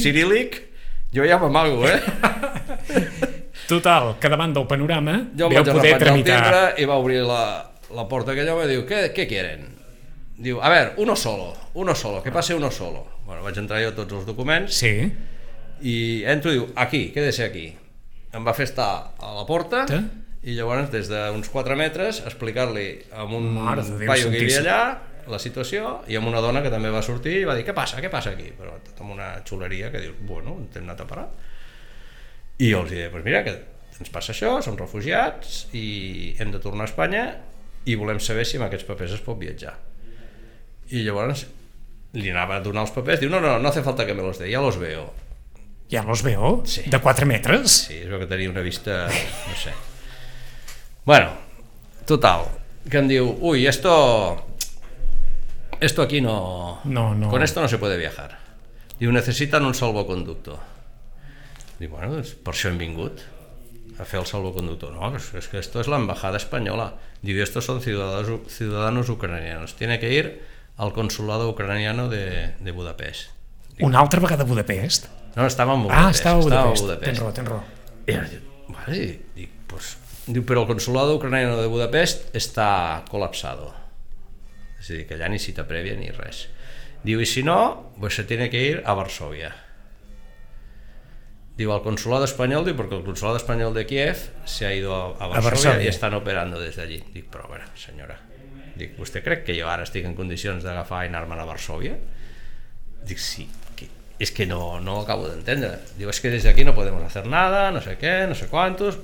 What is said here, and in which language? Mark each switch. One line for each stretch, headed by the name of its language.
Catalan: Cirílic, jo ja m'amago, eh? Total, que davant del panorama jo vau poder tramitar. I va obrir la porta aquella i va dir, què
Spanish: quieren?
Catalan: Diu,
Spanish: a ver, uno solo,
Catalan: que passe uno solo. Bueno, vaig entrar jo tots els documents. Sí. I entro i diu, aquí,
Spanish: quédese aquí.
Catalan: Em va fer estar a la porta. Té? I llavors, des d'uns 4 metres, explicar-li amb un paio que hi havia allà la situació, i amb una dona que també va sortir i va dir, què passa aquí? Però tot amb una xuleria que diu, bueno, t'hem anat a parar. I jo els deia, doncs mira, que ens passa això, som refugiats i hem de tornar a Espanya i volem saber si amb aquests papers es pot viatjar. I llavors li anava a donar els papers, diu,
Spanish: no hace falta que me los dé, ja los veo. Ja los veo?
Catalan: Sí. De 4 metres? Sí, és que tenia una vista, no sé. Bueno, total, que em diu, ui,
Spanish: esto aquí no...
Catalan: No, no.
Spanish: Con esto no se puede viajar. Diu, necesitan un salvoconducto.
Catalan: Dic, bueno, doncs per això hem vingut, a fer el salvoconductor.
Spanish: No, és que esto es la embajada espanyola. Diu, estos son ciudadanos ucranianos. Tiene que ir al consulado ucraniano de Budapest.
Catalan: Una altra vegada a Budapest? No, estàvem a Budapest. Ah, estava a Budapest. Tens raó. I ara dic, Vale, dic, pues... Diu, però el consulado ucraniano de Budapest està col·lapsado. És a dir, que allà ni cita prèvia ni res.
Spanish: Diu, i si no, pues se tiene que ir a Varsovia.
Catalan: Diu, el consulado espanyol, diu, perquè el consulado espanyol de Kiev
Spanish: se ha ido a Varsovia
Catalan: i estan operando des d'allí. Dic, però a veure, senyora, dic, vostè crec que jo ara estic en condicions d'agafar i anar-me'n a Varsovia? Dic, sí, que, és que no ho acabo d'entendre. Diu, és que des d'aquí no podem fer nada, no sé què, no sé quantos.